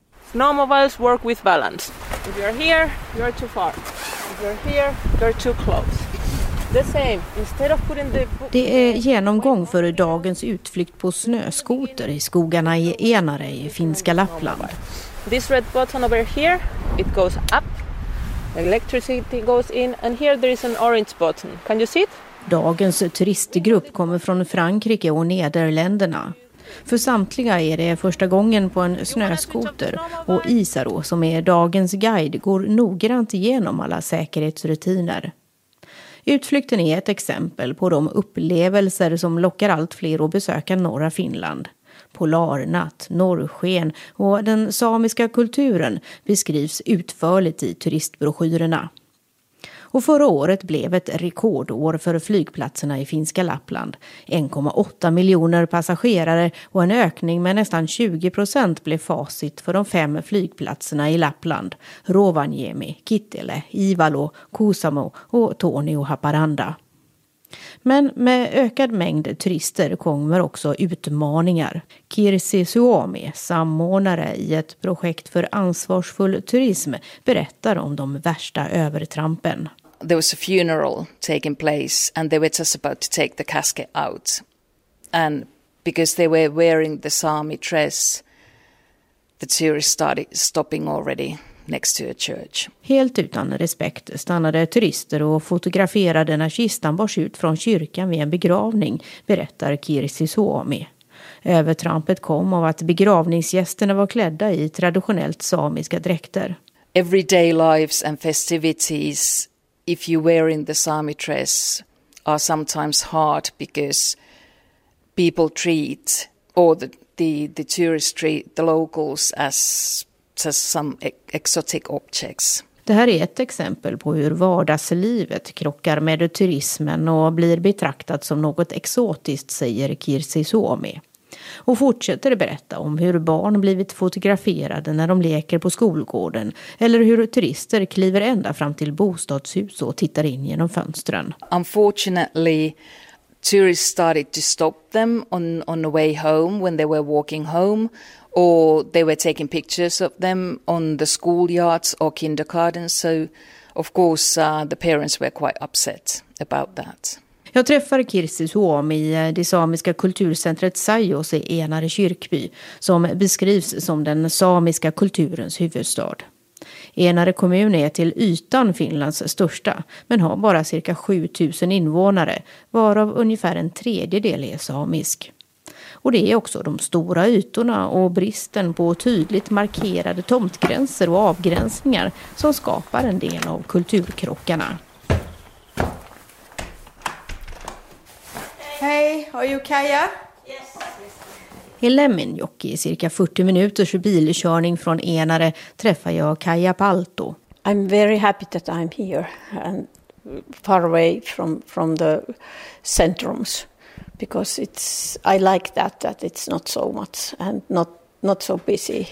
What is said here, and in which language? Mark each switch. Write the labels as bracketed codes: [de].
[en] Snowmobiles work with balance. If you're here, you're too far. If you're here, you're too close. [sv] Det är genomgång för dagens utflykt på snöskoter i skogarna i Enare i finska Lappland. [en] This red button over here, it goes up. Electricity goes in and here there is an orange button. Can you see it? [sv] Dagens turistgrupp kommer från Frankrike och Nederländerna. För samtliga är det första gången på en snöskoter och Isaro, som är dagens guide, går noggrant igenom alla säkerhetsrutiner. Utflykten är ett exempel på de upplevelser som lockar allt fler att besöka norra Finland. Polarnatt, norrsken och den samiska kulturen beskrivs utförligt i turistbroschyrerna. Och förra året blev ett rekordår för flygplatserna i finska Lappland. 1,8 miljoner passagerare och en ökning med nästan 20% blev facit för de fem flygplatserna i Lappland. Rovaniemi, Kittilä, Ivalo, Kuusamo och Tornio-Haparanda. Men med ökad mängd turister kommer också utmaningar. Kirsi Suomi, samordnare i ett projekt för ansvarsfull turism, berättar om de värsta övertrampen. [en] There was a funeral taking place and they were just about to take the casket out. And because they were wearing the Sami dress, the tourists started stopping already next to a church. [sv] Helt utan respekt stannade turister och fotograferade när kistan bars ut från kyrkan vid en begravning, berättar Kirsi Suomi. Övertrampet kom av att begravningsgästerna var klädda i traditionellt samiska dräkter. [en] Everyday lives and festivities, if you wear in the Sami dress, are sometimes hard because people treat or the tourists treat the locals as just some exotic objects. [sv] Det här är ett exempel på hur vardagslivet krockar med turismen och blir betraktat som något exotiskt, säger Kirsi Suomi. Och fortsätter berätta om hur barn blivit fotograferade när de leker på skolgården, eller hur turister kliver ända fram till bostadshus och tittar in genom fönstren. [en] Unfortunately, tourists started to stop them on the way home when they were walking home, or they were taking pictures of them on the schoolyards or kindergarten, so of course the parents were quite upset about that. [sv] Jag träffar Kirsi Suomi i det samiska kulturcentret Sajos i Enare kyrkby, som beskrivs som den samiska kulturens huvudstad. Enare kommun är till ytan Finlands största, men har bara cirka 7000 invånare, varav ungefär en tredjedel är samisk. Och det är också de stora ytorna och bristen på tydligt markerade tomtgränser och avgränsningar som skapar en del av kulturkrockarna. [en] Hej, are you Kaja? Yes. [sv] I Lemminjoki, cirka 40 minuters bilkörning från Enare, träffar jag Kaja Palto. [en] I'm very happy that I'm here and far away from the centrums, because I like that it's not so much and not so busy.